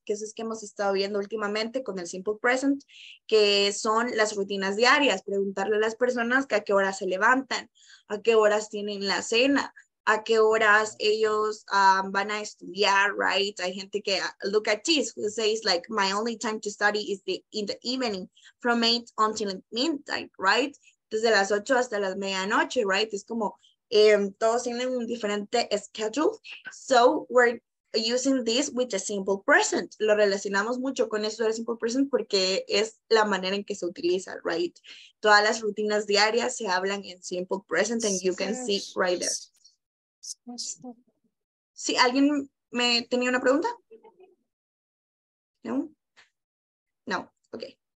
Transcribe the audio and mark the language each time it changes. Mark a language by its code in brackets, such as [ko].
[es] Que eso es que hemos estado viendo últimamente con el simple present, que son las rutinas diarias. Preguntarle a las personas que a qué horas se levantan, a qué horas tienen la cena, a qué horas ellos van a estudiar, right? Hay gente que, [en] look at this, who says like, my only time to study is the in the evening from 8 until midnight, right? [es] Desde las 8 hasta las medianoche, right? Es como, todos tienen un diferente schedule. [en] So we're using this with a simple present. [es] Lo relacionamos mucho con eso del simple present porque es la manera en que se utiliza, right? Todas las rutinas diarias se hablan en simple present [en] and you can see right there. [es] Sí, ¿alguien me tenía una pregunta? No. No, okay.